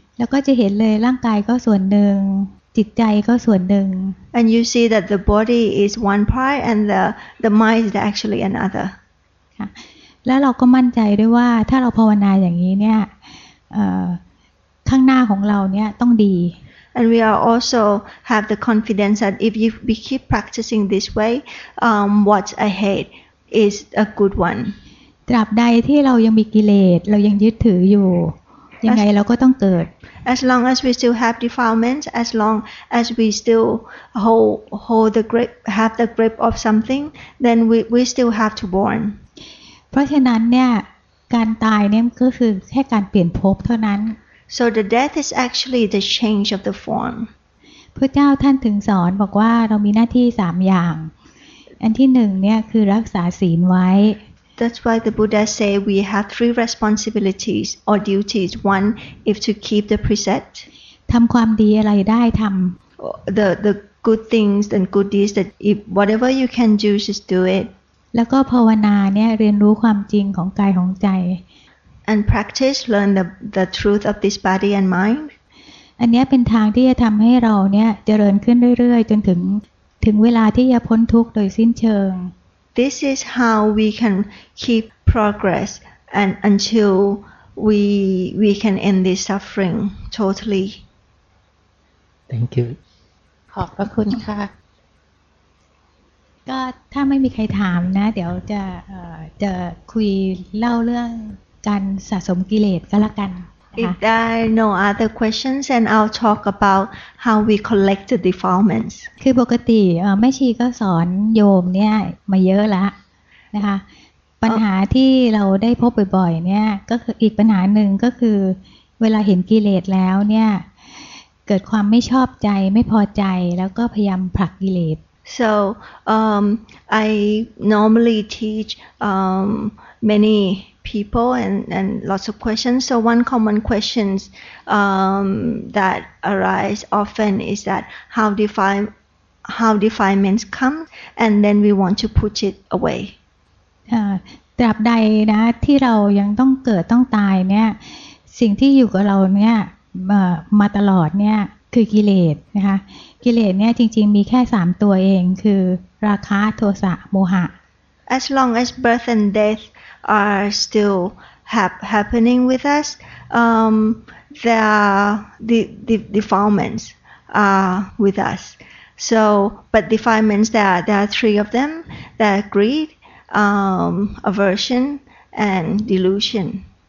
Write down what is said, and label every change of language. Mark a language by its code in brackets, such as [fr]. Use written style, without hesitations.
[th] แล้วก็จะเห็นเลยร่างกายก็ส่วนหนึ่งจิตใจก็ส่วนหนึ่ง [en] And you see that the body is one part and the mind is actually another [th] แล้วเราก็มั่นใจด้วยว่าถ้าเราภาวนาอย่างนี้เนี่ยข้างหน้าของเราเนี่ยต้องดี [en] And we are also have the confidence that if we keep practicing this way what's ahead is a good one [th] ตราบใดที่เรายังมีกิเลสเรายังยึดถืออยู่ยังไงเราก็ต้องเกิด [en] As long as we still have defilements as long as we still hold the grip have the grip of something then we still have to born [th] เพราะฉะนั้นเนี่ยการตายเนี่ยก็คือแค่การเปลี่ยนภพเท่านั้น [en] So the death is actually the change of the form [th] พระเจ้าท่านถึงสอนบอกว่าเรามีหน้าที่3อย่างอันที่1เนี่ยคือรักษาศีลไว้ [en] That's why the Buddha say we have three responsibilities or duties one if to keep the precept [th] ทำความดีอะไรได้ทำ [en] the good things and good deeds that if whatever you can do just do it [th] แล้วก็ภาวนาเนี่ยเรียนรู้ความจริงของกายของใจ [en] and practice learn the truth of this body and mind [th] อันนี้เป็นทางที่จะทำให้เราเนี่ยเจริญขึ้นเรื่อยๆจนถึงเวลาที่จะพ้นทุกข์โดยสิ้นเชิง [en] This is how we can keep progress and until we can end this suffering totally Thank you [th] ขอบพระคุณค่ะ ก็ถ้าไม่มีใครถามนะเดี๋ยวจะคุยเล่าเรื่องการสะสมกิเลสก็แล้วกันนะคะ [en] If there are no other questions and I'll talk about how we collect the defilements [th] คือปกติแม่ชีก็สอนโยมเนี่ยมาเยอะแล้วนะคะปัญหาที่เราได้พบบ่อยๆเนี่ยก็คืออีกปัญหาหนึ่งก็คือเวลาเห็นกิเลสแล้วเนี่ยเกิดความไม่ชอบใจไม่พอใจแล้วก็พยายามผลักกิเลส [en] So I normally teach many people and lots of questions. So one common question that arises often is that how defilements come and then we want to push it away. [th] ตราบใดนะที่เรายังต้องเกิดต้องตายเนี่ยสิ่งที่อยู่กับเราเนี่ยมาตลอดเนี่ยคือกิเลสนะคะกิเลสเนี่ยจริงๆมีแค่3ตัวเองคือราคะโทสะโมหะ [en] As long as birth and death are still happening with us the defilements are with us so but defilements there are three of them that are greed aversion and delusion